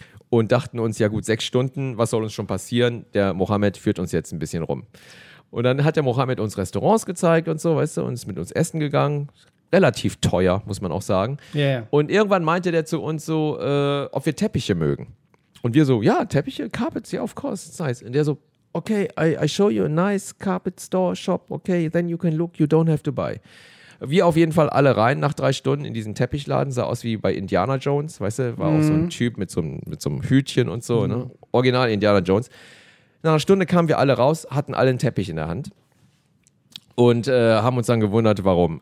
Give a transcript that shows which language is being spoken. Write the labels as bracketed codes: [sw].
[de] Und dachten uns, ja gut, 6 Stunden, was soll uns schon passieren? Der Mohammed führt uns jetzt ein bisschen rum. Und dann hat der Mohammed uns Restaurants gezeigt und so, weißt du, und ist mit uns essen gegangen. Relativ teuer, muss man auch sagen. [en] Yeah. [de] Und irgendwann meinte der zu uns so, ob wir Teppiche mögen. Und wir so, ja, Teppiche, [en] Carpets, yeah, of course, it's nice. [de] Und der so, [en] okay, I show you a nice carpet store shop, okay, then you can look, you don't have to buy. [de] Wir auf jeden Fall alle rein nach 3 Stunden in diesen Teppichladen, sah aus wie bei Indiana Jones, weißt du, war auch so ein Typ mit so einem Hütchen und so, ne? Original Indiana Jones. Nach einer Stunde kamen wir alle raus, hatten alle einen Teppich in der Hand und haben uns dann gewundert, warum.